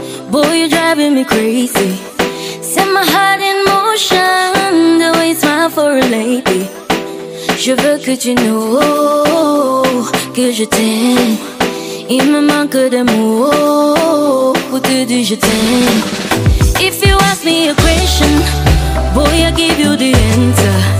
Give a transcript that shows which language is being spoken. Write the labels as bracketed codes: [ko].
[en] Boy, you're driving me crazy. Set my heart in motion. The way you smile for a lady. [fr] Je veux que tu saches que je t'aime. Il me manque des mots pour te dire je t'aime. [en] If you ask me a question, boy, I'll give you the answer.